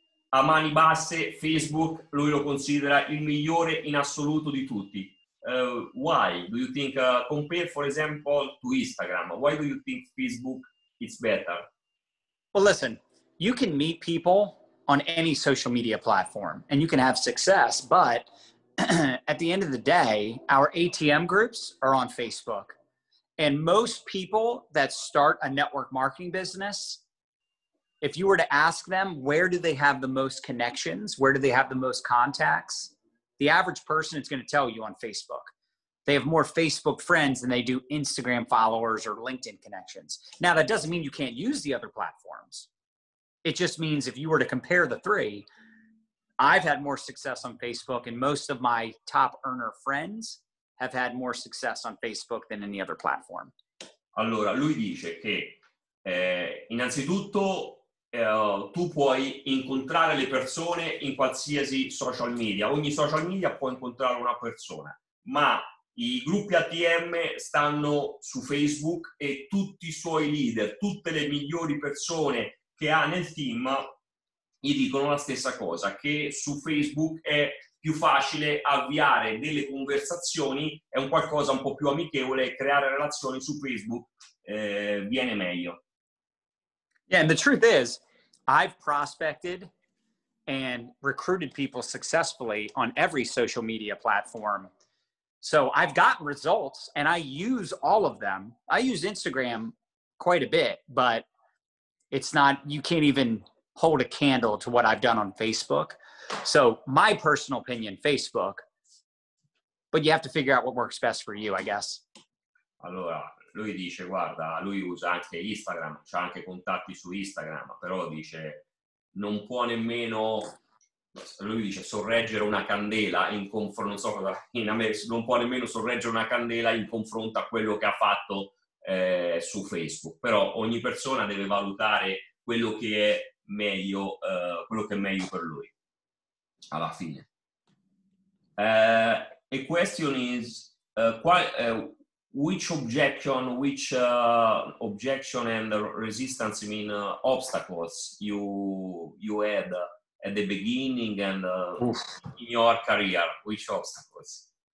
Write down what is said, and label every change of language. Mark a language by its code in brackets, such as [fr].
[it] A mani basse, Facebook, lui lo considera il migliore in assoluto di tutti. [en] Why do you think, compare for example to Instagram, why do you think Facebook is better? Well, listen, you can meet people on any social media platform and you can have success, but at the end of the day, our ATM groups are on Facebook. And most people that start a network marketing business, if you were to ask them, where do they have the most connections? Where do they have the most contacts? The average person is going to tell you on Facebook. They have more Facebook friends than they do Instagram followers or LinkedIn connections. Now, that doesn't mean you can't use the other platforms. It just means if you were to compare the three, I've had more success on Facebook, and most of my top earner friends have had more success on Facebook than any other platform. [it] Allora, lui dice che innanzitutto tu puoi incontrare le persone in qualsiasi social media. Ogni social media può incontrare una persona, ma i gruppi ATM stanno su Facebook e tutti i suoi leader, tutte le migliori persone che ha nel team gli dicono la stessa cosa, che su Facebook è più facile avviare delle conversazioni, è un qualcosa un po' più amichevole, creare relazioni su Facebook viene meglio. [en] Yeah, and the truth is, I've prospected and recruited people successfully on every social media platform. So I've gotten results and I use all of them. I use Instagram quite a bit, but it's not, you can't even hold a candle to what I've done on Facebook. So my personal opinion, Facebook, but you have to figure out what works best for you, I guess. [it] Allora, lui dice, guarda, lui usa anche Instagram, c'ha anche contatti su Instagram, però dice, non può nemmeno... Lui dice sorreggere una candela in confronto, non so cosa, in America, non può nemmeno sorreggere una candela in confronto a quello che ha fatto su Facebook. Però ogni persona deve valutare quello che è meglio, quello che è meglio per lui. Alla fine. [en] A question is which objection and resistance, I mean obstacles you had at the beginning and in your career, which obstacles?